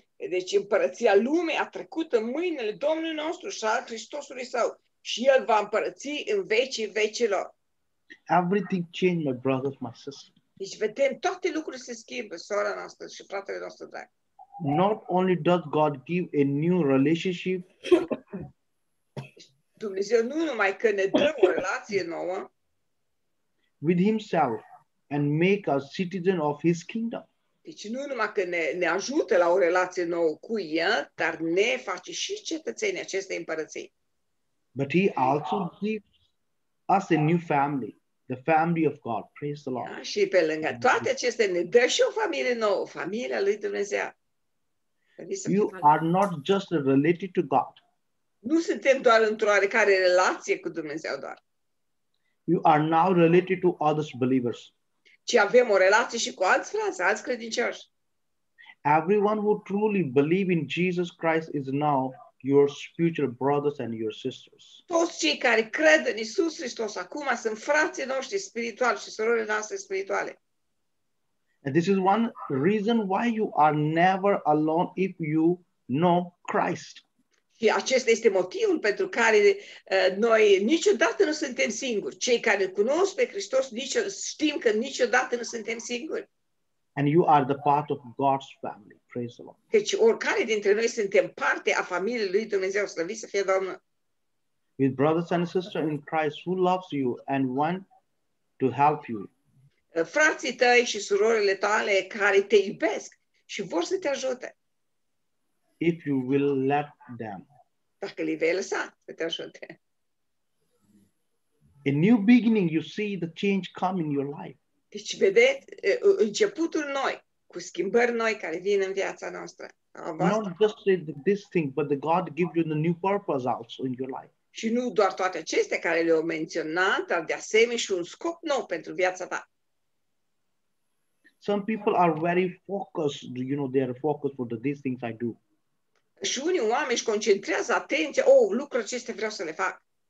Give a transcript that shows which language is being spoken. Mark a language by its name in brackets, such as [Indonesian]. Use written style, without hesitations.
[Romanian] Deci împărăția lumii a trecut în mâinile Domnului nostru și al Hristosului Său și El va împărăți în vecii vecilor. [English] Everything changed, my brothers, my sisters. [Romanian] Deci vedem, toate lucrurile se schimbă, sora noastră și fratele nostru drag. [English] Not only does God give a new relationship. [Romanian] Dumnezeu nu numai că ne dă o relație nouă. [English] With himself and make us citizen of his kingdom. [Romanian] Deci nu numai că ne ajută la o relație nouă cu El, dar ne face și cetățenii acestei împărății. [English] But he also gives us a new family. the family of God. Praise the Lord. [Romanian] Și pe lângă toate acestea ne dă și o familie nouă, familia lui Dumnezeu. [English] You are not just related to God. [Romanian] Nu suntem doar într-o oarecare relație cu Dumnezeu doar. [English] You are now related to other believers. [Romanian] Ci avem o relație și cu alți frați, alți credincioși. [English] Everyone who truly believe in Jesus Christ is now your spiritual brothers and your sisters. [Romanian] Toți cei care cred în Iisus Hristos acum sunt frații noștri spirituali și surorile noastre spirituale. [English] And this is one reason why you are never alone if you know Christ. [Romanian] Și acesta este motivul pentru care noi niciodată nu suntem singuri. Cei care cunosc pe Hristos știm că niciodată nu suntem singuri. [English] And you are the part of God's family. Praise the Lord. [Romanian] Deci oricare dintre noi suntem parte a familiei lui Dumnezeu. Slăviți să fie Domnul. [English] With brothers and sisters in Christ who loves you and want to help you. [Romanian] Frații tăi și surorile tale care te iubesc și vor să te ajute. [English] If you will let them. [Romanian] Dacă li vei lăsa să te ajute. [English] A new beginning, you see the change come in your life. [Romanian] Deci vedeți începutul noi, cu schimbări noi care vin în viața noastră. [English] Not just this thing, but the God gives you the new purpose also in your life. [Romanian] Și nu doar toate acestea care le-au menționat, dar de asemenea și un scop nou pentru viața ta. [English] Some people are very focused, you know, they are focused for these things I do. [Romanian] Și unii oameni își concentrează atenția, oh, lucrul acesta vreau să le fac.